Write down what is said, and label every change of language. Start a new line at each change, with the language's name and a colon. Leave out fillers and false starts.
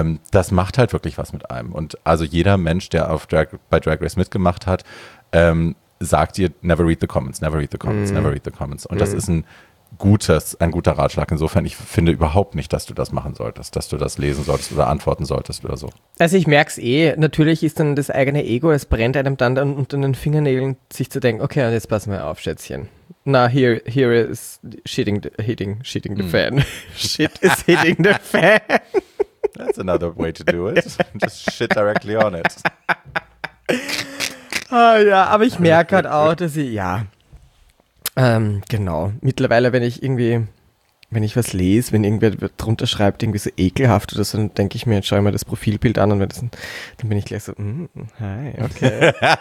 German: Das macht halt wirklich was mit einem. Und also jeder Mensch, der bei Drag Race mitgemacht hat, sagt dir,
English: never read the comments,
German: never read the comments, never read the comments. Und das ist ein guter Ratschlag. Insofern, ich finde überhaupt nicht, dass du das machen solltest, dass du das lesen solltest oder antworten solltest oder so. Also ich merke es eh, natürlich ist dann das eigene Ego, es brennt einem dann unter den Fingernägeln, sich zu denken, okay, und jetzt pass mal auf, Schätzchen.
English: Na, here is shitting the fan. Shit is hitting the fan. That's another way to do it. Just shit directly on it.
German: Oh ja, aber ich merke halt auch, dass ich, ja... genau. Mittlerweile, wenn ich was lese, wenn irgendwer drunter schreibt, irgendwie so ekelhaft oder so, dann denke ich mir, jetzt schaue ich mir das Profilbild an und dann bin ich gleich so, hi, okay.